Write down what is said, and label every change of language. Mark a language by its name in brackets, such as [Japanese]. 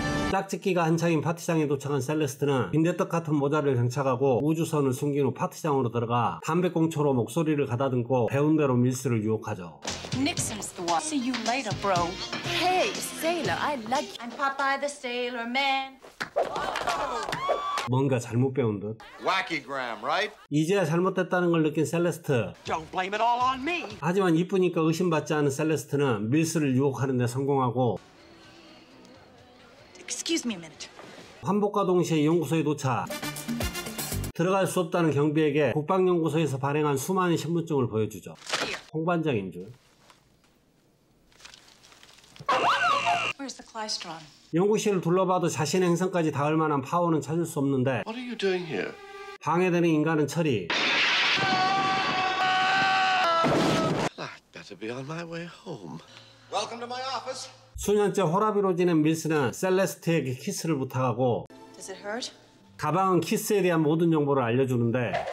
[Korean] 짝짓기가 한창인 파티장에 도착한 셀레스트는 빈대떡 같은 모자를 장착하고 우주선을 숨긴 후 파티장으로 들어가 담배꽁초로 목소리를 가다듬고 배운 대로 밀스를 유혹하죠. [English] Nixon's the one. See you later, bro. Hey, sailor, I like you. I'm Popeye the sailor man. [Korean] 뭔가 잘못 배운 듯. [English] Wacky gram, right? [Korean] 이제야 잘못됐다는 걸 느낀 셀레스트. [English] Don't blame it all on me. [Korean] 하지만 이쁘니까 의심받지 않은 셀레스트는 밀스를 유혹하는 데 성공하고 [English] Excuse me a minute. [Korean] 환복과 동시에 연구소에 도착. 들어갈 수 없다는 경비에게 국방연구소에서 발행한 수많은 신분증을 보여주죠. 홍반장인 줄. [English] Where's the Klystron? [Korean] 연구실을 둘러봐도 자신의 행성까지 닿을 만한 파워는 찾을 수 없는데 [English] What are you doing here? [Korean] 방해되는 인간은 처리. [English] I'd better be on my way home. Welcome to my office. [Korean] 수년째 호라비로 지낸 밀스는 셀레스트에게 키스를 부탁하고 [English] Does it hurt? [Korean] 가방은 키스에 대한 모든 정보를 알려주는데